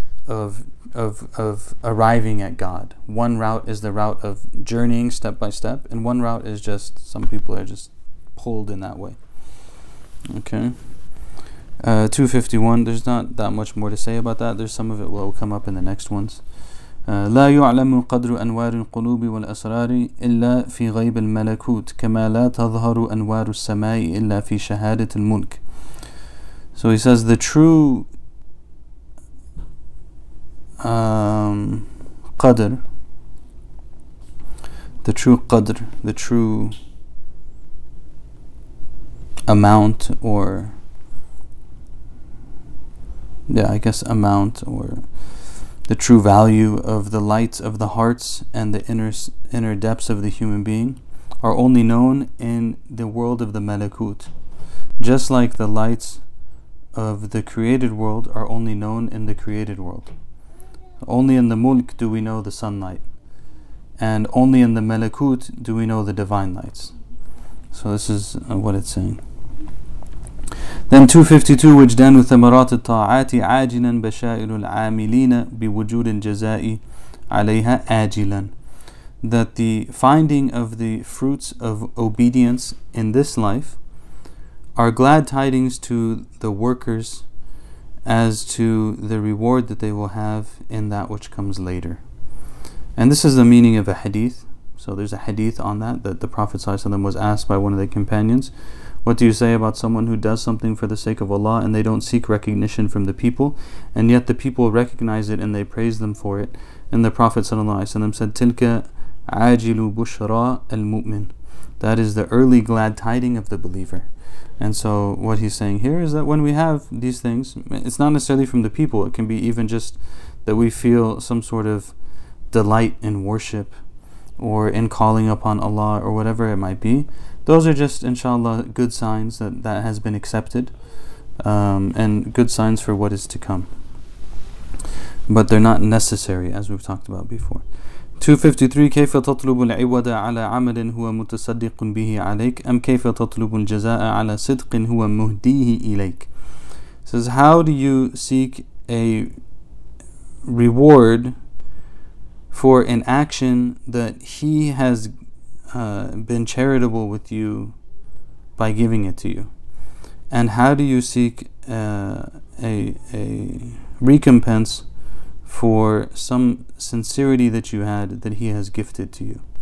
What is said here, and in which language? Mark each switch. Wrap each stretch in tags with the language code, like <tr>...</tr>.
<en>of arriving at God. One route is the route of journeying step by step, and one route is just some people are just pulled in that way. Okay. 251, there's not that much more to say about that. There's some of it will come up in the next ones.</en> <ar>لا يعلم قدر أنوار القلوب والأسرار إلا في غيب الملكوت كما لا تظهر أنوار السماء إلا في شهادة الملك.</ar> <en>So he says the true qadr, the true qadr, the true amount, or yeah, I guess amount, or the true value of the lights of the hearts and the inner depths of the human being are only known in the world of the Malakut, just like the lights of the created world are only known in the created world. Only in the Mulk do we know the sunlight, and only in the Malakut do we know the divine lights. So this is what it's saying.</en> <ar>Then 252, وجدان ثمرات الطاعات عاجلا بشائر العاملين بوجود الجزاء عليها عاجلا.</ar> <en>That the finding of the fruits of obedience in this life are glad tidings to the workers as to the reward that they will have in that which comes later. And this is the meaning of a hadith. So there's a hadith on that, that the Prophet ﷺ was asked by one of the companions, what do you say about someone who does something for the sake of Allah and they don't seek recognition from the people, and yet the people recognize it and they praise them for it? And the Prophet ﷺ said,</en> <ar>تِلْكَ عَاجِلُ بُشْرَى الْمُؤْمِنِ.</ar> <en>That is the early glad tiding of the believer. And so what he's saying here is that when we have these things, it's not necessarily from the people, it can be even just that we feel some sort of delight in worship, or in calling upon Allah, or whatever it might be. Those are just, inshallah, good signs that that has been accepted, and good signs for what is to come. But they're not necessary, as we've talked about before.</en> <ar>253, كيف تطلب العوض على عمل هو متصدق به عليك أم كيف تطلب الجزاء على صدق هو مهديه إليك.</ar> <en>Says, how do you seek a reward for an action that he has been charitable with you by giving it to you? And how do you seek a recompense for some sincerity that you had that he has gifted to you?</en>